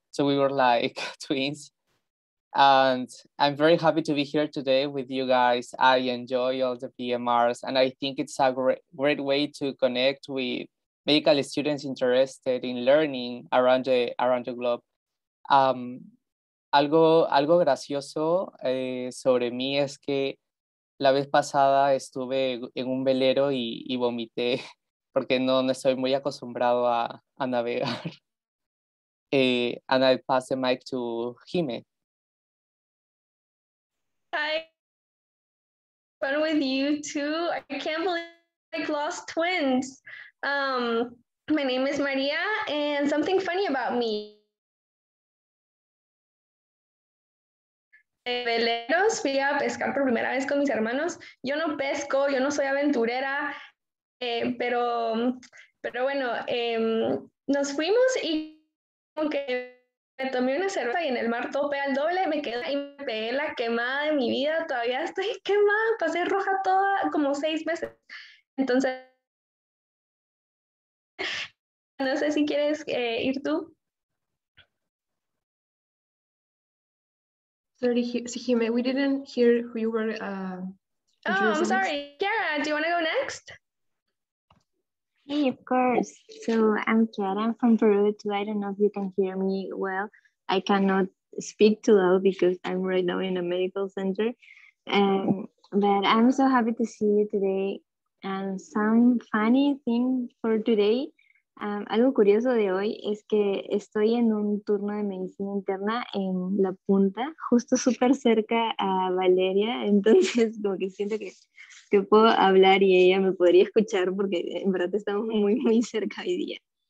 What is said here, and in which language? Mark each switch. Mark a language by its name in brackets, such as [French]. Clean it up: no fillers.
[English] So we were like twins. And I'm very happy to be here today with you guys. I enjoy all the VMRs and I think it's a great way to connect with medical students interested in learning around the globe. [Spanish] Algo gracioso sobre mí es que la vez pasada estuve en un velero y vomité porque no estoy muy acostumbrado a navegar. [English] And I pass the mic to Jime. Hi, fun with you too. I can't believe I lost twins. My name is Maria and something funny about me. [Spanish] Veleros, fui a pescar por primera vez con mis hermanos. Yo no pesco, yo no soy aventurera, pero bueno, nos fuimos y como que me tomé una cerveza y en el mar tope al doble, me quedé ahí, me pegué la quemada de mi vida, todavía estoy quemada, pasé roja toda, como 6 meses. Entonces, no sé si quieres ir tú. [English] Sorry, Jime, we didn't hear who you were. Kiara, do you want to go next? Hey, of course. So I'm Kiara, I'm from Peru too. I don't know if you can hear me well. I cannot speak too loud because I'm right now in a medical center. But I'm so happy to see you today. And some funny thing for today. [Spanish] Algo curioso de hoy es que estoy en un turno de medicina interna en La Punta, justo súper cerca a Valeria, entonces como que siento que puedo hablar y ella me podría escuchar porque en verdad estamos muy, muy cerca hoy día.